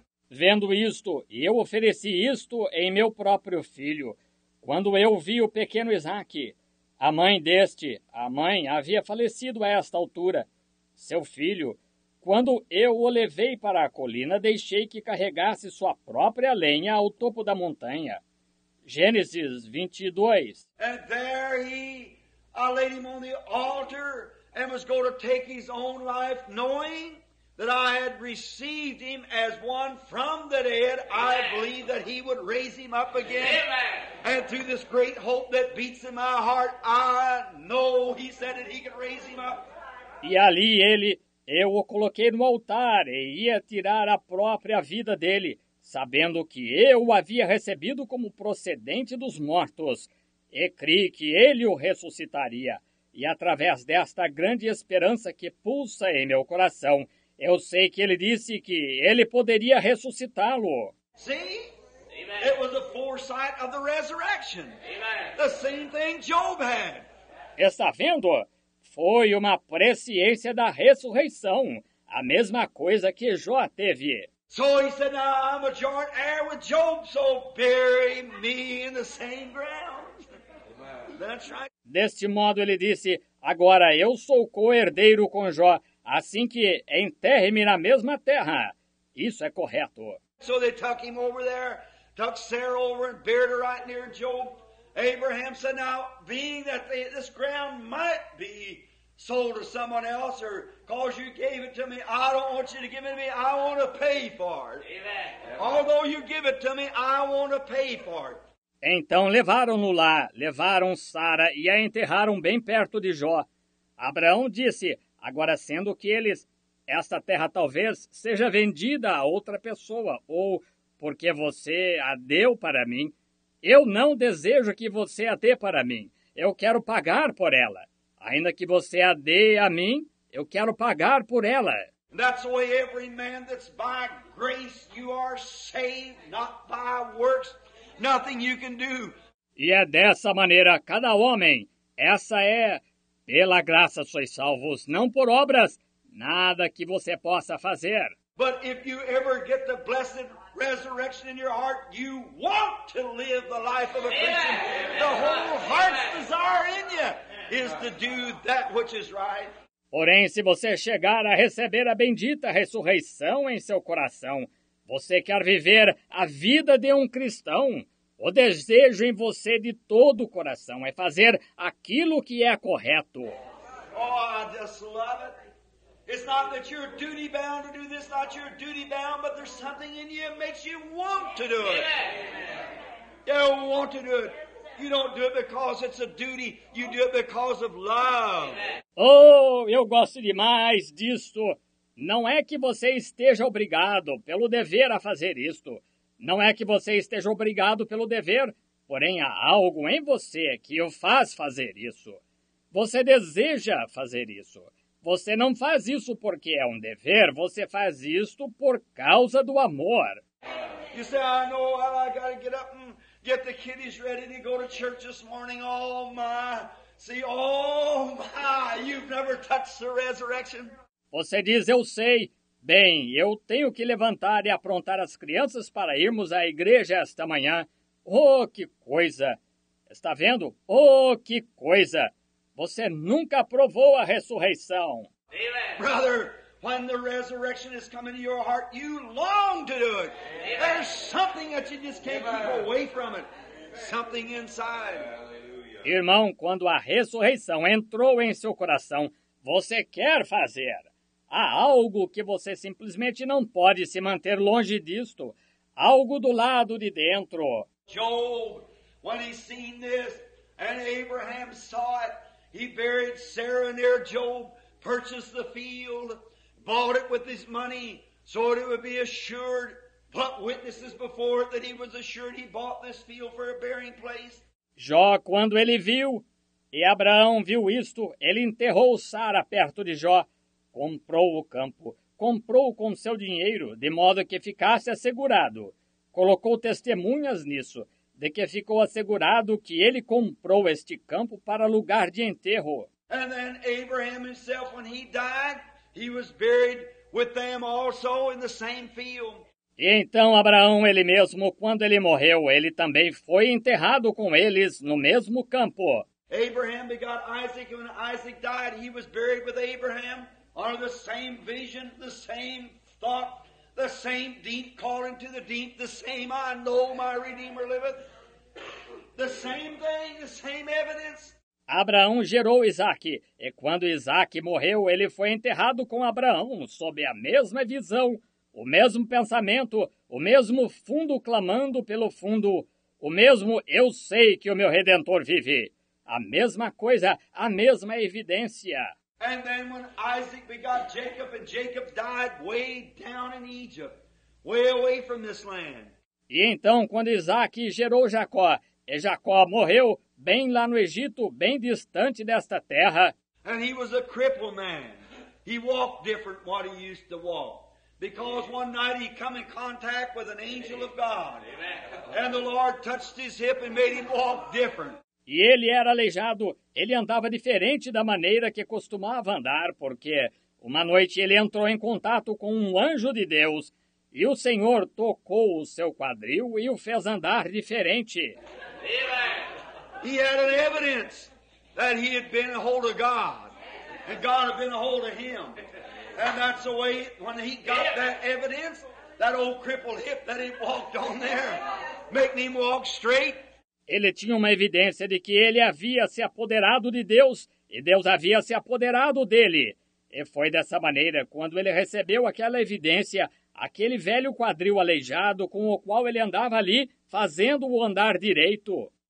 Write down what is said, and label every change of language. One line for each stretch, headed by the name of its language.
Portuguese: Vendo isto, e eu ofereci isto em meu próprio filho, quando eu vi o pequeno Isaac, a mãe deste, a mãe havia falecido a esta altura, seu filho, quando eu o levei para a colina, deixei que carregasse sua própria lenha ao topo da montanha. Gênesis 22.
English: And there he, I laid him on the altar and was going to take his own life, knowing that I had received him as one from the dead. I believe that he would raise him up again. And through this great hope that beats in my heart, I know he said that he could raise him up.
Portuguese: E ali ele... Eu o coloquei no altar e ia tirar a própria vida dele, sabendo que eu o havia recebido como procedente dos mortos, e crie que ele o ressuscitaria. E através desta grande esperança que pulsa em meu coração, eu sei que ele disse que ele poderia ressuscitá-lo. Sim?
English: It was the foresight of the resurrection. Amen. The same thing Job had.
Portuguese: Está vendo? Foi uma presciência da ressurreição, a mesma coisa que Jó teve.
English: So he said, now I'm a joint heir with Job, so bury me in the same ground. That's right.
Portuguese: Deste modo ele disse, agora eu sou co-herdeiro com Jó, assim que enterre-me na mesma terra. Isso é correto.
English: So they took him over there, took Sarah over and buried her right near Job. Abraham said, now, being that this ground might be sold to someone else, or because you gave it to me, I don't want you to give it to me, I want to pay for it. Amen. Although you give it to me, I want to pay for it.
Portuguese: Então levaram-no lá, levaram Sara e a enterraram bem perto de Jó. Abraão disse, agora sendo que eles, esta terra talvez seja vendida a outra pessoa, ou porque você a deu para mim, eu não desejo que você a dê para mim. Eu quero pagar por ela. Ainda que você a dê a mim, eu quero pagar por ela.
English: That's the way every man that's by grace you are saved, not by works, nothing you can do.
Portuguese: E é dessa maneira, cada homem, essa é, pela graça sois salvos, não por obras, nada que você possa fazer.
English: But if you ever get the blessed resurrection in your heart, you want to live the life of a Christian. Amen. The whole heart's desire in you is to do that which is right.
Portuguese: Porém, se você chegar a receber a bendita ressurreição em seu coração, você quer viver a vida de um cristão. O desejo em você de todo o coração é fazer aquilo que é correto.
English: Oh, I just love it. It's not that you're duty bound to do this, not you're duty bound, but there's something in you that makes you want to do it. Yeah. You don't want to do it. You don't do it because it's a duty. You do it because of love.
Portuguese: Oh, eu gosto demais disto. Não é que você esteja obrigado pelo dever a fazer isto. Não é que você esteja obrigado pelo dever, porém há algo em você que o faz fazer isso. Você deseja fazer isso. Você não faz isso porque é um dever, você faz isto por causa do amor.
English: You say, I know I gotta get up and get the kiddies ready to go to church this morning. Oh my, see, oh my, you've never touched the resurrection.
Portuguese: Você diz, eu sei, Bem, eu tenho que levantar e aprontar as crianças para irmos à igreja esta manhã. Oh, que coisa! Está vendo? Oh, que coisa! Você nunca provou a ressurreição.
English: Amen. Brother, when the resurrection has come into your heart, you long to do it. Amen. There's something that you just can't Amen. Keep away from it. Amen. Something inside. Hallelujah.
Portuguese: Irmão, quando a ressurreição entrou em seu coração, você quer fazer. Há algo que você simplesmente não pode se manter longe disto. Algo do lado de dentro.
English: Job, when he seen this, and Abraham saw it, he buried Sarah near Job, purchased the field, bought it with his money, so that it would be assured, put witnesses before it that he was assured he bought this field for a burying place.
Portuguese: Jó, quando ele viu, e Abraão viu isto, ele enterrou Sara perto de Jó, comprou o campo, comprou com seu dinheiro, de modo que ficasse assegurado. Colocou testemunhas nisso, de que ficou assegurado que ele comprou este campo para lugar de enterro.
English: And then Abraham himself, when he died, he was buried with them also in the same field.
Portuguese: E então Abraão, ele mesmo, quando ele morreu, ele também foi enterrado com eles no mesmo campo.
English: Abraham begot Isaac, and when Isaac died, he was buried with Abraham on the same vision, the same thought, the same deep calling to the deep, the same I know my Redeemer liveth, the same thing, the same evidence.
Portuguese: Abraão gerou Isaac, e quando Isaac morreu, ele foi enterrado com Abraão, sob a mesma visão, o mesmo pensamento, o mesmo fundo clamando pelo fundo, o mesmo eu sei que o meu Redentor vive, a mesma coisa, a mesma evidência.
English: And then when Isaac begot Jacob, and Jacob died way down in Egypt, way away from this land.
Portuguese: E então, quando Isaac gerou Jacó, e Jacó morreu bem lá no Egito, bem distante desta terra.
English: And he was a crippled man. He walked different than what he used to walk. Because one night he come in contact with an angel of God. Amen. And the Lord touched his hip and made him walk different.
Portuguese: E ele era aleijado, ele andava diferente da maneira que costumava andar, porque uma noite ele entrou em contato com um anjo de Deus, e o Senhor tocou o seu quadril e o fez andar diferente.
English: He had an evidence that he had been a hold of God, and God had been a hold of him. And that's the way, when he got that evidence, that old crippled hip that he walked on there, making him walk straight.
Portuguese: Ele tinha uma evidência de que ele havia se apoderado de Deus e Deus havia se apoderado dele. E foi dessa maneira, quando ele recebeu aquela evidência, aquele velho quadril aleijado com o qual ele andava ali, fazendo-o andar direito.